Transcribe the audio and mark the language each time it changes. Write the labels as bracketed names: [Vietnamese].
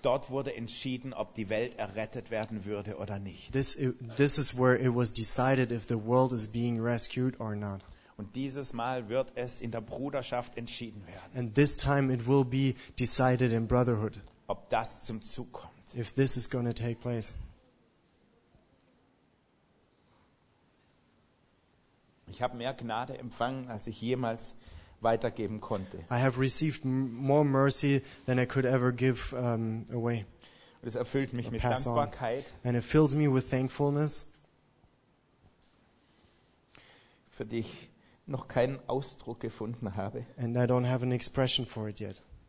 [German] Dort wurde entschieden, ob die Welt errettet werden würde oder nicht. [English] This is where it was decided if the world is being rescued or not. [German] Und dieses Mal wird es in der Bruderschaft entschieden werden. [English] And this time it will be decided in brotherhood. [German] Ob das zum Zug kommt. [English] If this is going to take place. [German] Ich habe mehr Gnade empfangen, als ich jemals weitergeben konnte. [English] I have received more mercy than I could ever give away. [German] Und es erfüllt mich mit Dankbarkeit. [English] And it fills me with thankfulness. [German] Für die ich noch keinen Ausdruck gefunden habe. [English] And I don't have an expression for it yet.